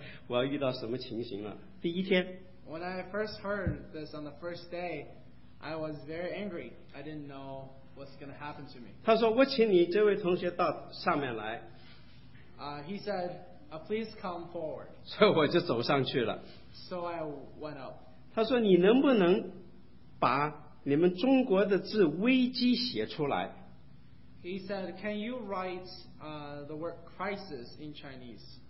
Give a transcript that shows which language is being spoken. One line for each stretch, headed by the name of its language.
Chinese: 我听了这话，我心里面七上八下，不晓得我要遇到什么情形了。第一天，
English: When I first heard this on the first day, I was very angry. I didn't know what's going to happen to me.
Chinese: 他说，我请你这位同学到上面来。
English: He said, please come forward.
Chinese: 所以我就走上去了。
English: So I went up.
Chinese: 他说，你能不能把你们中国的字危机写出来？
English: He said, can you write the word crisis in Chinese?